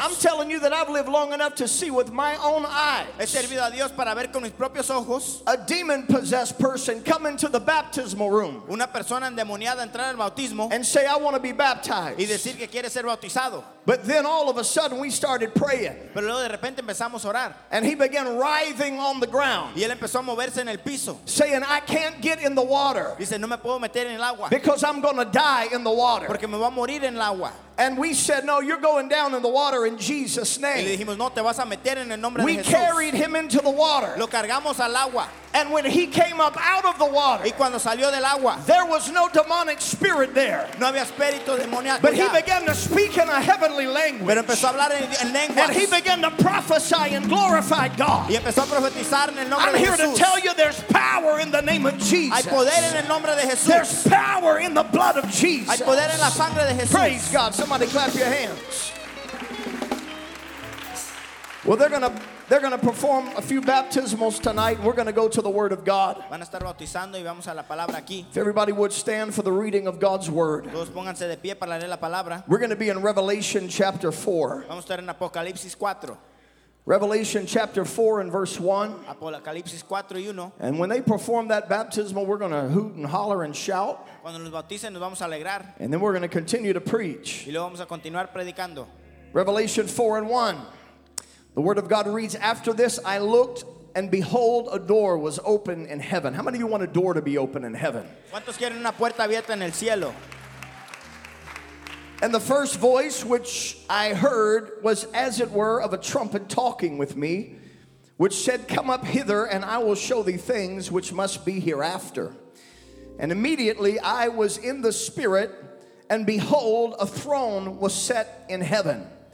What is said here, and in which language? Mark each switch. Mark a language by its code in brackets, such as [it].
[en] I'm telling you that I've lived long enough to see with my own eyes. [es] He servido a Dios para ver con mis propios ojos. [en] A demon-possessed person come into the baptismal room. [es] Una persona endemoniada entrar al bautismo. [en] And say, I want to be baptized. [es] Y decir que quiere ser bautizado. [en] But then all of a sudden we started praying. [es] Pero luego de repente empezamos a orar. [en] And he began writhing on the ground. [es] Y él empezó a moverse en el piso. [en] Saying, I can't get in the water. [es] Dice, no me puedo meter en el agua. [en] Because I'm going to die in the water. [es] Porque me va a morir en el agua. [en] And we said, no, you're going down in the water in Jesus' name. [es] Y le dijimos, no, te vas a meter en el nombre de Jesús. [en] We carried him into the water. [es] Lo cargamos al agua. [en] And when he came up out of the water, [es] y cuando salió del agua, [en] there was no demonic spirit there. [es] No había espíritu demoníaco. [en] But he began to speak in a heavenly language. [es] Pero empezó a hablar en lenguas. [en] And he began to prophesy and glorify God. [es] Y empezó a profetizar en el nombre [en] I'm [es] de [en] here [es] Jesús. [en] To tell you there's power in the name of Jesus. [es] Hay poder en el nombre de Jesús. [en] There's power in the blood of Jesus. [es] Hay poder en la sangre de Jesús. [en] Praise God. Somebody clap your hands. Well, they're going to perform a few baptismals tonight. We're going to go to the Word of God. [es] Van a estar bautizando y vamos a la palabra aquí. [en] If everybody would stand for the reading of God's Word. [es] Todos pónganse de pie para leer la palabra. [en] We're going to be in Revelation chapter 4. [es] Vamos a estar en Apocalipsis 4. [en] Revelation chapter 4 and verse 1. [es] Apocalipsis 4 y 1. [en] And when they perform that baptismal, we're going to hoot and holler and shout. [es] Cuando nos bauticen, nos vamos a alegrar. [en] And then we're going to continue to preach. [es] Y luego vamos a continuar predicando. [en] Revelation 4 and 1. The Word of God reads, after this I looked, and behold, a door was open in heaven. How many of you want a door to be open in heaven? [es] ¿Cuántos quieren una puerta abierta en el cielo? [en] And the first voice which I heard was as it were of a trumpet talking with me, which said, come up hither, and I will show thee things which must be hereafter. And immediately I was in the spirit, and behold, a throne was set in heaven.